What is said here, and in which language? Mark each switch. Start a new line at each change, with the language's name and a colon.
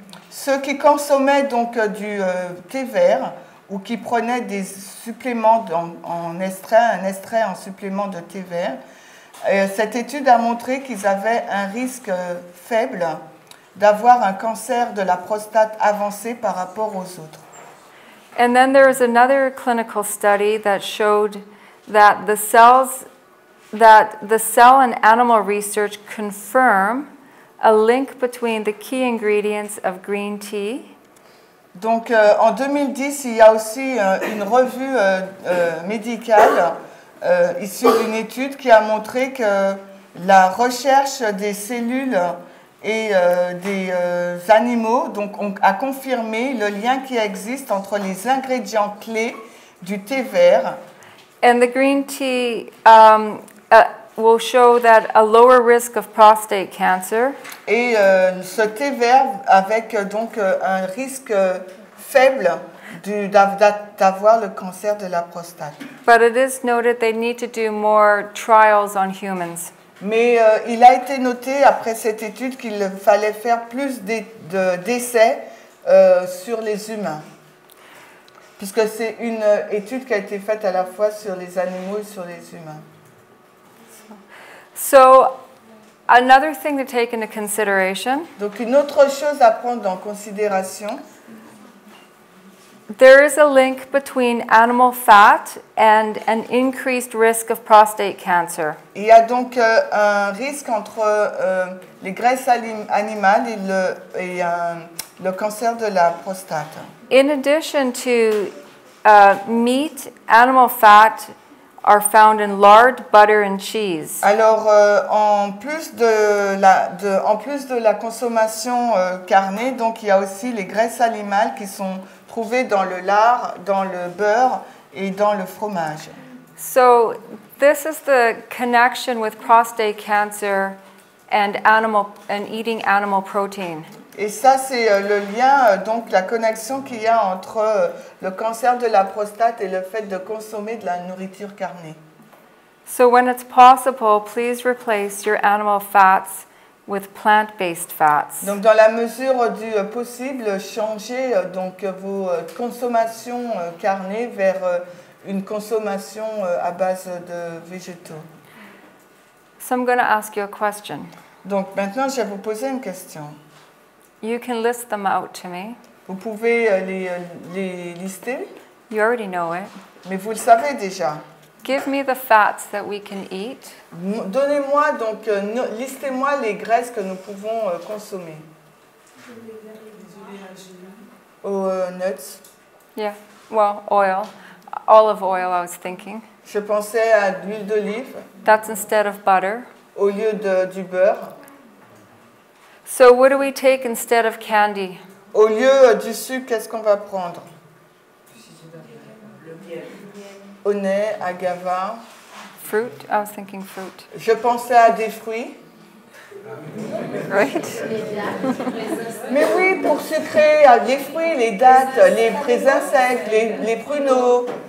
French: Ceux qui consommaient donc du thé vert ou qui prenaient des suppléments un extrait en supplément de thé vert. Cette étude a montré qu'ils avaient un risque faible d'avoir un cancer de la prostate avancé par rapport aux autres.
English: And then there is another clinical study that showed that the cell and animal research confirm a link between the key ingredients of green tea.
French: Donc, en 2010, il y a aussi une revue médicale issue d'une étude qui a montré que la recherche des cellules et des animaux donc, a confirmé le lien qui existe entre les ingrédients clés du thé vert.
English: And the green tea will show that a lower risk of prostate cancer.
French: Et ce thé vert avec donc un risque faible d'avoir le cancer de la prostate.
English: But it is noted they need to do more trials on humans.
French: Mais il a été noté après cette étude qu'il fallait faire plus d'essais sur les humains. Puisque c'est une étude qui a été faite à la fois sur les animaux et sur les humains.
English: So, another thing to take into consideration.
French: Donc une autre chose à prendre en considération.
English: There is a link between animal fat and an increased risk of prostate cancer.
French: Il y a donc un risque entre les graisses animales et le cancer de la prostate.
English: In addition to meat, animal fat are found in lard, butter and cheese.
French: Alors en plus de la consommation carnée, donc il y a aussi les graisses animales qui sont trouvées dans le lard, dans le beurre et dans le fromage.
English: So this is the connection with prostate cancer and eating animal protein.
French: Et ça c'est le lien donc la connexion qu'il y a entre le cancer de la prostate et le fait de consommer de la nourriture carnée.
English: So when it's possible, please replace your animal fats with plant-based fats.
French: Donc dans la mesure du possible, changez donc vos consommations carnées vers une consommation à base de végétaux.
English: So I'm going to ask you a question.
French: Donc maintenant je vais vous poser une question.
English: You can list them out to me.
French: Vous pouvez les lister.
English: You already know it.
French: Mais vous le savez déjà.
English: Give me the fats that we can eat.
French: Donnez-moi donc listez-moi les graisses que nous pouvons consommer.
English: Nuts. Yeah. Well, oil. Olive oil, I was thinking.
French: Je pensais à l'huile d'olive.
English: That's instead of butter.
French: Au lieu de du beurre.
English: So what do we take instead of candy?
French: Au lieu du sucre, qu'est-ce qu'on va prendre? Le miel. Au nez, agave.
English: Fruit? I was thinking fruit.
French: Je pensais à des fruits.
English: Right?
French: Mais oui, pour sucrer, les fruits, les dattes, les fraises insectes, les pruneaux.